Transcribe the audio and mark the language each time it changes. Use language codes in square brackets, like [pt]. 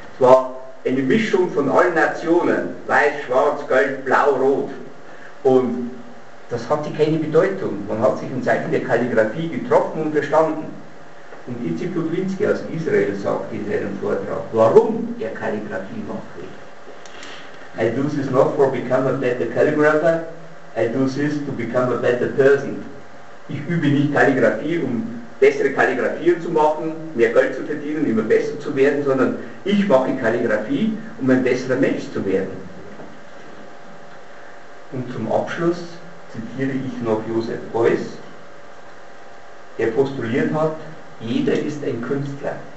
[de] Es war eine Mischung von allen Nationen. Weiß, Schwarz, Gelb, Blau, Rot. Und das hatte keine Bedeutung. Man hat sich in Zeichen der Kalligraphie getroffen und verstanden. Und Itzi Pudwinski aus Israel sagte in seinem Vortrag, warum er Kalligraphie machte. [en] I do this not for become a better calligrapher, I do this to become a better person. [de] Ich übe nicht Kalligraphie, um bessere Kalligrafien zu machen, mehr Geld zu verdienen, immer besser zu werden, sondern ich mache Kalligraphie, um ein besserer Mensch zu werden. Und zum Abschluss zitiere ich noch Josef Beuys, der postuliert hat, jeder ist ein Künstler.